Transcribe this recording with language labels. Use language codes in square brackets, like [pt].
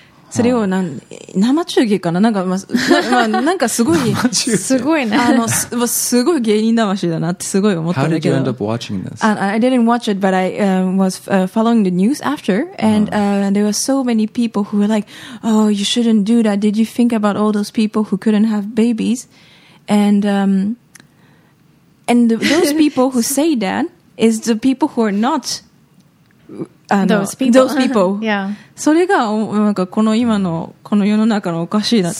[ja] それを生中継かな、なんかすごい、すごいね。すごい芸人魂だなってすごい思ったんだけど。 [en] How did you end up watching this? I didn't watch it, but I was following the news after, and there were so many people who were like, oh, you shouldn't do that. Did you think about all those people who couldn't have babies? And those people who say that,is the people who are not those people. Those people. yeah. [ja] それがなんかこの今のこの世の中のおかしいなって。